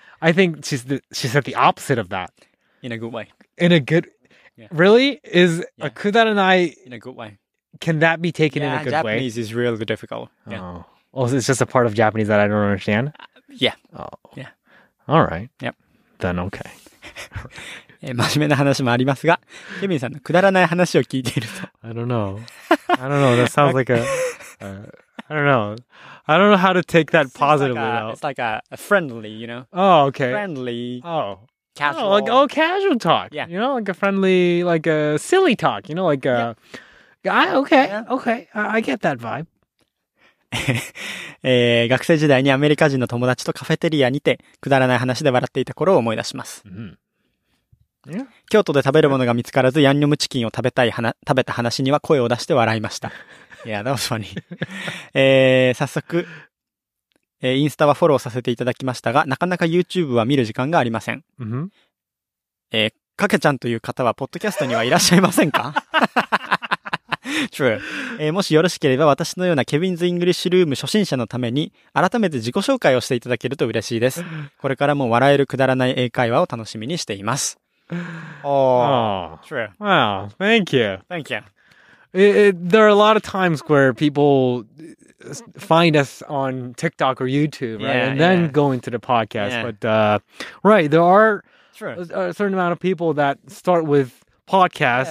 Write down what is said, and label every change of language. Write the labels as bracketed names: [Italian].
[English] I think she said the opposite of that. In a good way. In a good... Yeah. Really? Is a kudaranai... In a good way. Can that be taken in a good Japanese way? Japanese is really difficult. Yeah. Oh, it's just a part of Japanese that I don't understand? Yeah. Oh. Yeah. All right. Yep. Then okay. [Japanese] 真面目な話もありますが、ケビンさんのくだらない話を聞いていると。 [English] I don't know. I don't know. That sounds like a... I don't know. I don't know how to take that positively out. It's like a friendly, you know? Oh, okay. Friendly. Oh. Casual. Oh, like, oh, casual talk. Yeah. You know, like a friendly, like a silly talk. You know, like a... Yeah. Okay. Yeah. Okay. I get that vibe. [Japanese] 学生時代にアメリカ人の友達とカフェテリアにてくだらない話で笑っていた頃を思い出します、 mm-hmm. 京都で食べるものが見つからずヤンニョムチキンを食べたい食べた話には声を出して笑いました [English] Yeah, that was funny. [Japanese] 、早速、インスタはフォローさせていただきましたがなかなか YouTube は見る時間がありません、 mm-hmm. かけちゃんという方はポッドキャストにはいらっしゃいませんか [English] True. [Japanese] もしよろしければ私のようなケビンズ・イングリッシュルーム初心者のために改めて自己紹介をしていただけると嬉しいです。これからも笑えるくだらない英会話を楽しみにしています。 [English] Oh, oh. True. Wow, thank you. Thank you. There are a lot of times where people find us on TikTok or YouTube, right? Yeah, and then yeah. go into the podcast. Yeah. But, right, there are a certain amount of people that start withpodcast,